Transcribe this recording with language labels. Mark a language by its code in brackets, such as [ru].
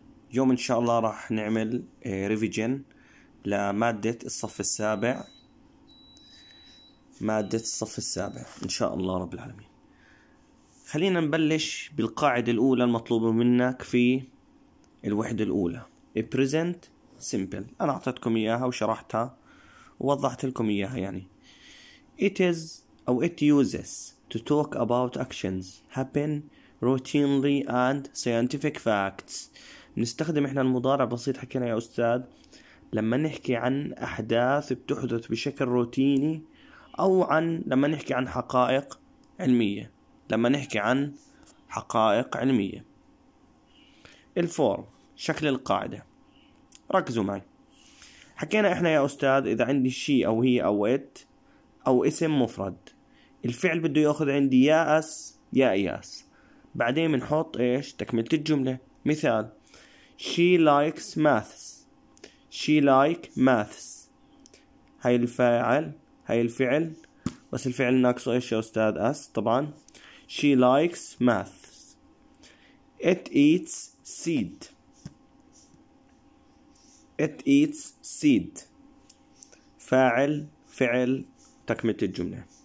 [ar] اليوم إن شاء الله راح نعمل ريفيجن لمادة الصف السابع، مادة الصف السابع إن شاء الله رب العالمين. خلينا نبلش بالقاعدة الأولى المطلوبة منك في الوحدة الأولى، present simple. [en] أنا أعطيتكم إياها وشرحتها ووضحت لكم إياها، يعني it is أو it uses to talk about actions happen routinely and scientific facts. [ar] نستخدم احنا المضارع بسيط، حكينا يا استاذ، لما نحكي عن احداث بتحدث بشكل روتيني، او عن لما نحكي عن حقائق علمية، لما نحكي عن حقائق علمية. الفورم، شكل القاعدة، ركزوا معي. حكينا احنا يا استاذ اذا عندي شيء او هي او ات او اسم مفرد، الفعل بده ياخذ عندي يا اس يا اياس، بعدين بنحط ايش تكملة الجملة. [en] مثال: she likes maths. [ar] she like maths، هاي الفاعل، هاي الفعل، بس الفعل ناقصه ايش يا استاذ؟ اس طبعا. [en] she likes maths. it eats seed. [ar] it eats seed، فاعل، فعل، تكملة الجملة.